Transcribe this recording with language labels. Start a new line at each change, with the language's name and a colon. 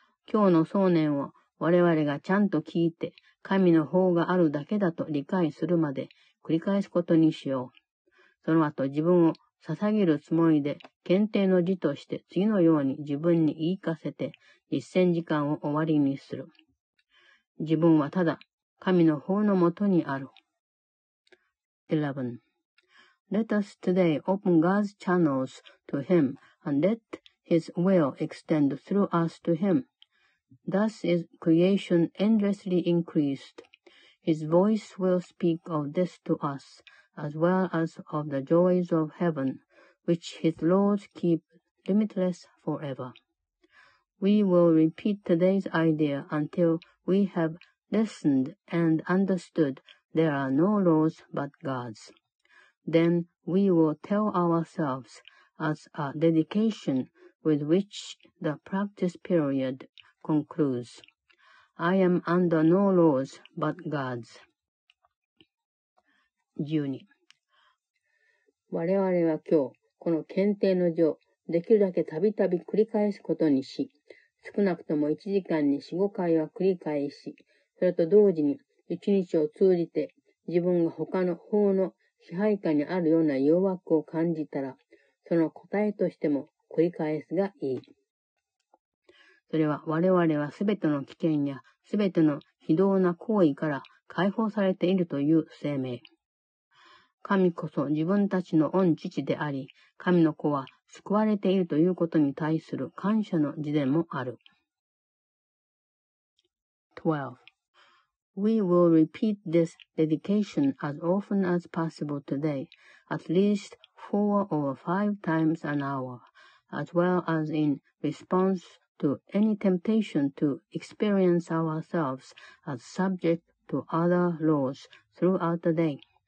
Japanese: 今日の想念は、我々がちゃんと聞いて、神の法があるだけだと理解するまで繰り返すことにしよう。その後自分を捧げるつもりで、検定の字として次のように自分に言い聞かせて、実践時間を終わりにする。自分はただ、神の法のもとにある。
English: 11. Let us today open God's channels to Him and let His will extend through us to Him. Thus is creation endlessly increased. His voice will speak of this to us, as well as of the joys of heaven, which his laws keep limitless forever. We will repeat today's idea until we have listened and understood there are no laws but God's. Then we will tell ourselves as a dedication with which the practice periodconcludes. I am under no laws but God's.
Japanese: 12。我々は今日、この検定の序、できるだけたびたび繰り返すことにし、少なくとも1時間に4、5回は繰り返し、それと同時に1日を通じて自分が他の法の支配下にあるような誘惑を感じたら、その答えとしても繰り返すがいい。それは我々はすべての危険やすべての非道な行為から解放されているという声明。神こそ自分たちの御父であり、神の子は救われているということに対する感謝の辞でもある。
English: 12. We will repeat this dedication as often as possible today, at least 4 or 5 times an hour, as well as in response to any temptation to experience ourselves as subject to other laws throughout the day.